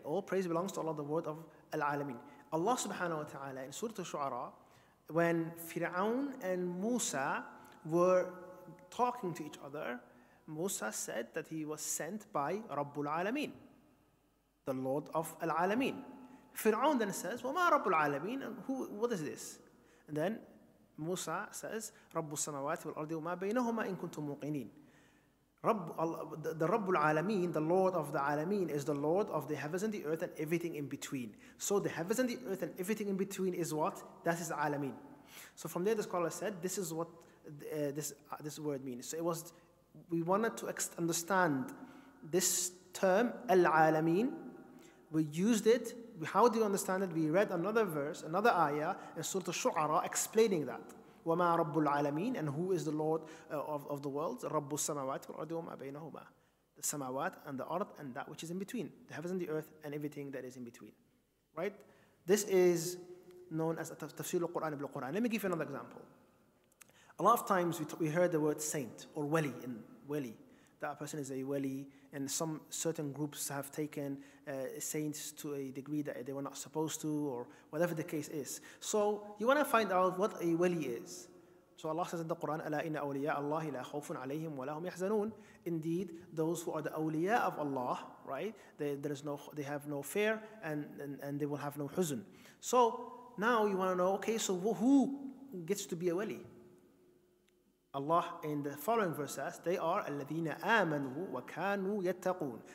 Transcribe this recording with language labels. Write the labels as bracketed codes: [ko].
[en] All praise belongs to Allah, the word of Al-Alameen. Allah subhanahu wa ta'ala, in Surah Al-Shu'ara, when Fir'aun and Musa were talking to each other, Musa said that he was sent by Rabbul Alameen, the Lord of Al-Alameen. Fir'aun then says, [ar] وَمَا رَبُّ الْعَالَمِينَ? [en] What is this? And then Musa says, [ar] رَبُّ السَّمَوَاتِ وَالْأَرْضِ وَمَا بَيْنَهُمَا إِن كُنْتُمْ مُوقِنِينَ. [en] The Rabbul Alameen, the Lord of the Alameen, is the Lord of the heavens and the earth and everything in between. So the heavens and the earth and everything in between is what? That is Alameen. So from there, the scholar said, this is what this word means. So it was, we wanted to understand this term, Al-Alameen. We used it. How do you understand it? We read another verse, another ayah in Surah Al-Shu'ara explaining that. [ar] وَمَا رَبُّ الْعَالَمِينَ? [en] And who is the Lord of the world? [ar] رَبُّ السَّمَوَاتِ وَالْأَرْضِ وَمَا بَيْنَهُمَا. [en] The samawat and the earth and that which is in between. The heavens and the earth and everything that is in between. Right? This is known as [ar] تفسير القرآن بالقرآن. [en] Let me give you another example. A lot of times we heard the word saint or wali in wali. That a person is a wali, and some certain groups have taken saints to a degree that they were not supposed to, or whatever the case is. So you want to find out what a wali is. So Allah says in the Quran, [ar] أَلَا إِنَّ أَوْلِيَاءَ اللَّهِ لَا خَوْفٌ عَلَيْهِمْ وَلَا هُمْ يَحْزَنُونَ. [en] Indeed, those who are the awliya of Allah, right? They have no fear, and they will have no huzn. So now you want to know, okay, so who gets to be a wali? Allah in the following verse says, they are [ar] الَّذِينَ آمَنُوا وَكَانُوا يَتَّقُونَ.